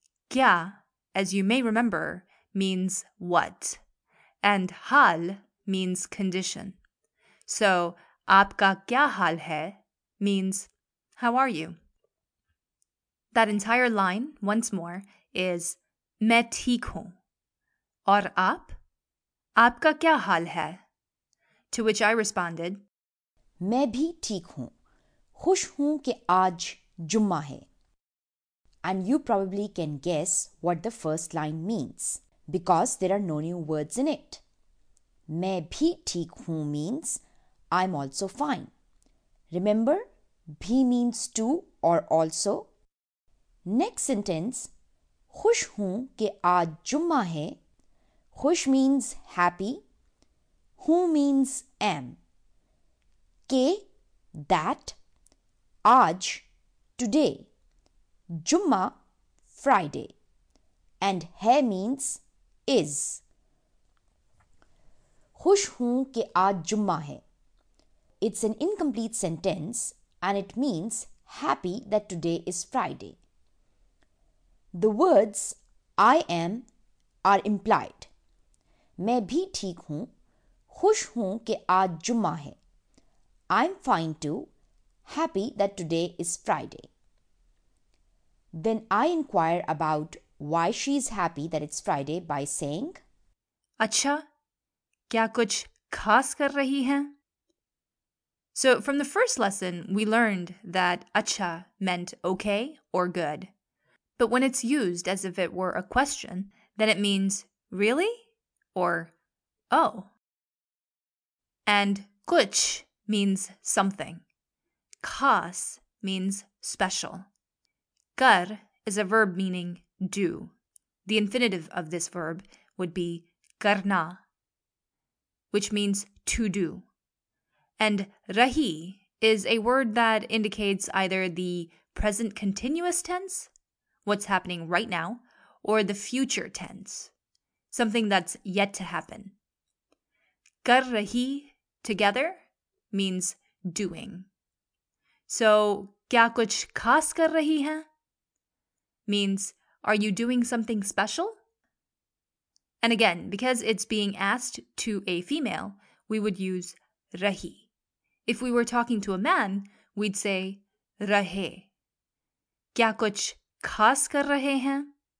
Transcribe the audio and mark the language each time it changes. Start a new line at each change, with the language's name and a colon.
English: क्या, as you may remember, means what. And हाल means condition. So,
Hindi: आपका क्या हाल है
English: means, how are you? That entire line, once more, is
Hindi: मैं ठीक हूँ. और आप? आपका क्या हाल है?
English: To which I responded,
Hindi: मैं भी ठीक हूँ. खुश हूँ कि आज जुम्मा है.
English: And you probably can guess what the first line means, because there are no new words in it.
Hindi: मैं भी ठीक हूँ
English: means I'm also fine. Remember, भी means to or also. Next sentence,
Hindi: खुश हूँ कि आज जुम्मा है.
English: खुश means happy. हूँ means am. के, that. आज, today. जुम्मा, Friday. And है means is.
Hindi: खुश हूँ कि आज जुम्मा है.
English: It's an incomplete sentence and it means happy that today is Friday. The words I am are implied.
Hindi: मैं भी ठीक हूँ, खुश हूँ कि आज जुम्मा है.
English: I'm fine too, happy that today is Friday. Then I inquire about why she is happy that it's Friday by saying,
Hindi: अच्छा, क्या कुछ खास कर रही हैं?
English: So from the first lesson, we learned that acha meant okay or good. But when it's used as if it were a question, then it means really or oh. And kuch means something. Khas means special. Kar is a verb meaning do. The infinitive of this verb would be karna, which means to do. And rahi is a word that indicates either the present continuous tense, what's happening right now, or the future tense, something that's yet to happen. Kar rahi together means doing.
Hindi: So, क्या कुछ खास कर रही हैं?
English: Means, are you doing something special? And again, because it's being asked to a female, we would use rahi. If we were talking to a man, we'd say rahe.
Hindi: क्या कुछ खास कर रहे हैं?